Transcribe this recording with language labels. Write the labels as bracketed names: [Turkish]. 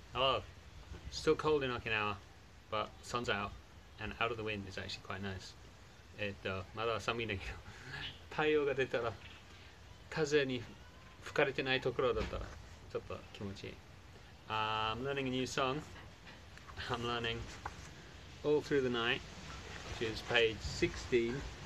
[English] Oh, still cold in Okinawa, but sun's out, and out of the wind is actually quite nice. [Japanese] まだ寒いんだけど、太陽が出たら、風に吹かれてないところだったら、ちょっと気持ちいい。 [English] I'm learning a new song. I'm learning All Through the Night, which is page 16.